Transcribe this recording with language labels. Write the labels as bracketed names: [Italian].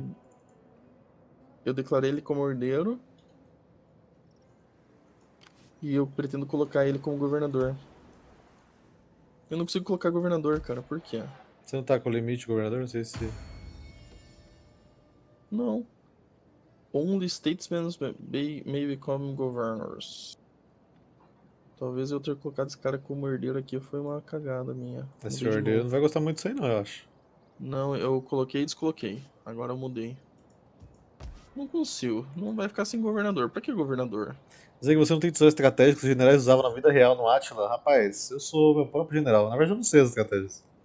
[Portuguese] de. Eu declarei ele como herdeiro. E eu pretendo colocar ele como governador. Eu não consigo colocar governador, cara. Por quê? Você não tá com o limite, governador? Não sei se. Não. [English] Only statesmen may become governors. [Portuguese] Talvez eu ter colocado esse cara como herdeiro aqui foi uma cagada minha. Esse Mudei de ordeiro novo. não vai gostar muito disso aí, não, eu acho. Não, eu coloquei e descoloquei. Agora eu mudei. Não consigo. Não vai ficar sem governador. Pra que governador? Dizer que você não tem tesouro estratégico que os generais usavam na vida real no Átila? Rapaz, eu sou meu próprio general. Na verdade, eu não sei as estratégias.